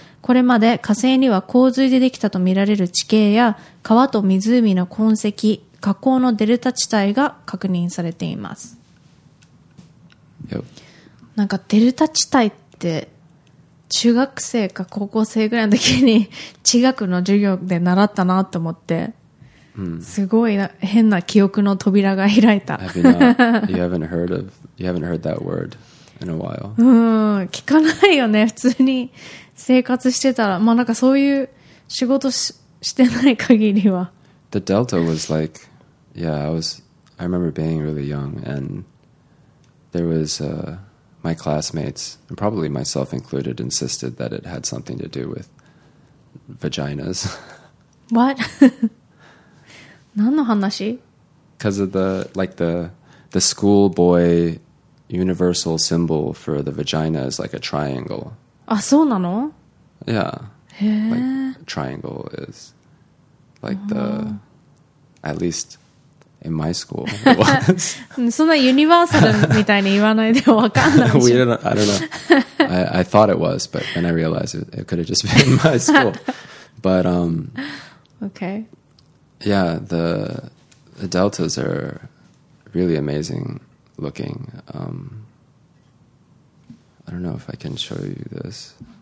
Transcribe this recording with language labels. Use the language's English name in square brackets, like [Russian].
[Japanese] これまで火星には洪水でできたとみられる地形や、川と湖の痕跡、河口のデルタ地帯が確認されています。なんかデルタ地帯って、中学生か高校生ぐらいの時に地学の授業で習ったなと思って、すごい変な記憶の扉が開いた。 [English] You haven't heard that word in a while. [Japanese] 聞かないよね、普通に生活してたら。まあなんかそういう仕事 してない限りは。 [English] The Delta was like, yeah, I remember being really young and there was my classmates, and probably myself included, insisted that it had something to do with vaginas. [Japanese] What? 何の話? [English] Because of the, like, the schoolboy universal symbol for the vagina is like a triangle. [Japanese] あ、そうなの? [English] Yeah. [Japanese] へー。 [English] Like, triangle is like the, at least in my school, it was. [Japanese] そんなユニバーサルみたいに言わないでわかんないし。 [English] I don't know. I thought it was, but then I realized it could have just been my school. But, Okay. Yeah, the deltas are really amazing looking. I don't know if I can show you this.